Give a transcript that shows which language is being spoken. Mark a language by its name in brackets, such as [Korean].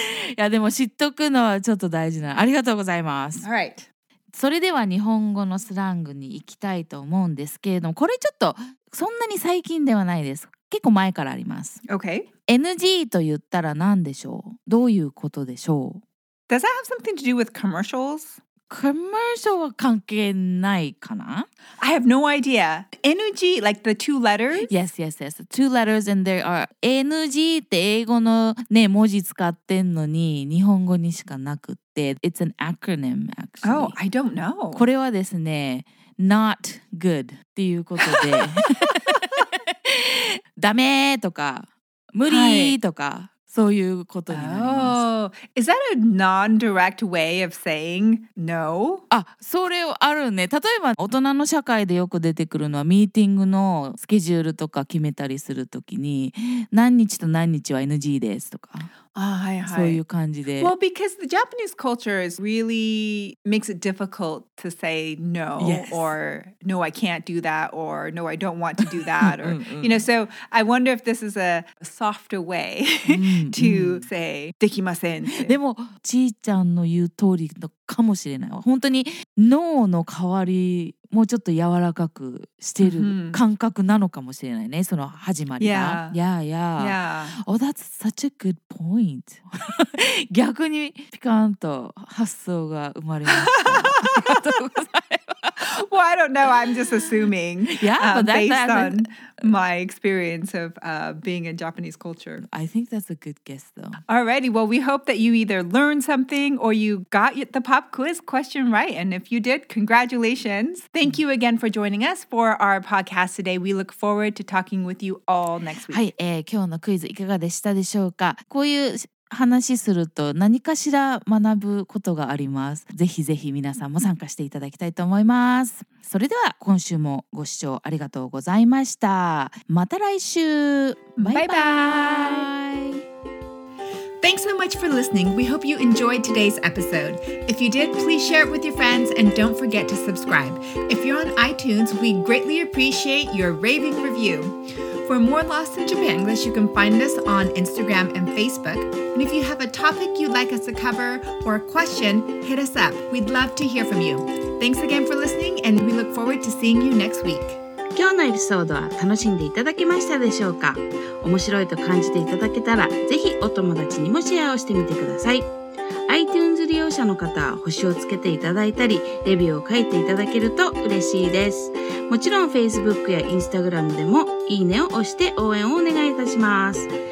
[Japanese] いやでも知っとくのはちょっと大事な。ありがとうございます。 [English] All right. [Japanese] それでは日本語のスラングに行きたいと思うんですけれども、これちょっとそんなに最近ではないです。結構前からあります。 [English] Okay. [Japanese] NG と言ったら何でしょう？どういうことでしょう？ [English] Does that have something to do with commercials? [Japanese] Commercial は関係ないかな？ [English] I have no idea. NG, like the two letters? Yes, yes, yes. Two letters and there are [Japanese] NG って英語のね、文字使ってんのに日本語にしかなくって。 [English] It's an acronym, actually. Oh, I don't know. [Japanese] これはですね、not good っていうことで。ダメとか、無理とか。はい、そういうことになります。 [English] Oh, is that a non-direct way of saying no? [Japanese] あ、それあるね。例えば大人の社会でよく出てくるのはミーティングのスケジュールとか決めたりするときに何日と何日は NG ですとか。 [English] Oh, hi, hi. [Japanese] そういう感じで。 [English] Well, because the Japanese culture is really makes it difficult to say no, yes. or no, I can't do that, or no, I don't want to do that, or you know. So I wonder if this is a softer way to say できません。 [Japanese] でもちいちゃんの言う通りかもしれないわ。本当に no の代わりもうちょっと柔らかくしてる感覚なのかもしれないね、その始まりが。 [English] Yeah. Oh, that's such a good point. [Japanese] 逆にピカンと発想が生まれました。ありがとうございます。 [English] Well, I don't know. I'm just assuming. Yeah, but based on my experience of being in Japanese culture. I think that's a good guess, though. Alrighty. Well, we hope that you either learned something or you got the pop quiz question right. And if you did, congratulations. Thank you again for joining us for our podcast today. We look forward to talking with you all next week. [Japanese] はい、今日のクイズいかがでしたでしょうか。こういう話すると何かしら学ぶことがあります。ぜひぜひ皆さんも参加していただきたいと思います。それでは今週もご視聴ありがとうございました。また来週。バイバイ。バイバ [English] Thanks so much for listening. We hope you enjoyed today's episode. If you did, please share it with your friends and don't forget to subscribe. If you're on iTunes, we greatly appreciate your raving review. For more Lost in Japanglish, you can find us on Instagram and Facebook. And if you have a topic you'd like us to cover or a question, hit us up. We'd love to hear from you. Thanks again for listening and we look forward to seeing you next week. [Japanese] 今日のエピソードは楽しんでいただけましたでしょうか？面白いと感じていただけたら、ぜひお友達にもシェアをしてみてください。 iTunes 利用者の方は星をつけていただいたり、レビューを書いていただけると嬉しいです。もちろん Facebook や Instagram でもいいねを押して応援をお願いいたします。